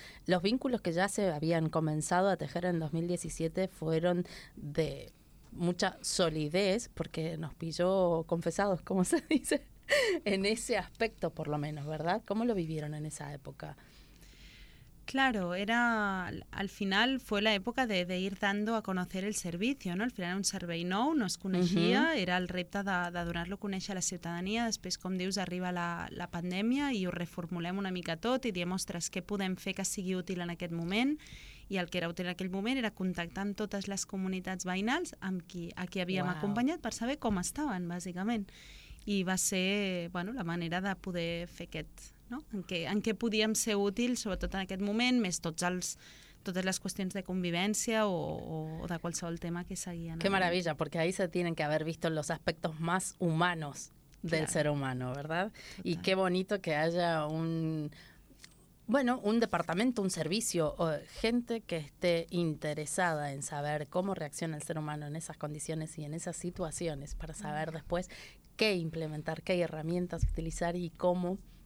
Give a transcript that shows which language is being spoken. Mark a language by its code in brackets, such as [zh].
[es] Los vínculos que ya se habían comenzado a tejer en 2017 fueron de mucha solidez, porque nos pilló confesados, como se dice, en ese aspecto, por lo menos, ¿verdad? ¿Cómo lo vivieron en esa época? Claro, era, al final fue la época de ir dando a conocer el servicio, [ca] ¿no? Al final era un servei nou, no es coneixia, era el repte de donar-lo a conèixer a la ciutadania. Després, com dius, arriba la pandèmia i ho reformulem una mica tot i diem, ostres, què podem fer que sigui útil en aquest moment? I el que era útil en aquell moment era contactar amb totes les comunitats veïnals a qui havíem acompanyat per saber com estaven, bàsicament. I va ser, bueno, la manera de poder fer aquest... No? En què podíem ser útils, sobretot en aquest moment, més totes les qüestions de convivència o de qualsevol tema que seguien. [es] Qué maravilla, porque ahí se tienen que haber visto los aspectos más humanos del ser humano, ¿verdad? Total. Y qué bonito que haya un departamento, un servicio, o gente que esté interesada en saber cómo reacciona el ser humano en esas condiciones y en esas situaciones, para saber después qué implementar, qué herramientas utilizar y cómo